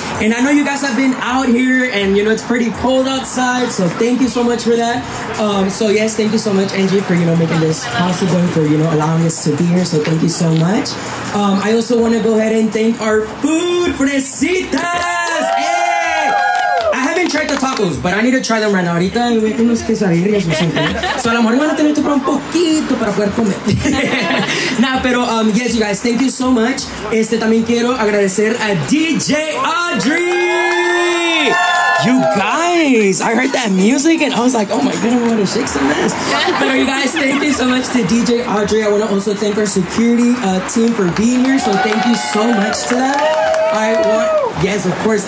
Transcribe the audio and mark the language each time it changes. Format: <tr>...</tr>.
<en>And I know you guys have been out here and, you know, it's pretty cold outside, so thank you so much for that. So yes, thank you so much, Angie, for, you know, making this possible, for, you know, allowing us to be here, so thank you so much. I also want to go ahead and thank our food, Fresitas! Hey! I haven't tried the tacos, but I need to try them right now.</en> <es>Ahorita me meto unos quesadillas</es> <en>o something.</en> <es>So a lo mejor me van a tener que probar un poquito para poder comer.</es> <en>Nah, pero, yes, you guys, thank you so much.</en> <es>También quiero agradecer a</es> <en>DJ Audrey! You guys, I heard that music and I was like, oh my God, I want to shake some ass. But you guys, thank you so much to DJ Audrey. I want to also thank our security team for being here. So thank you so much to them. Yes, of course.</en>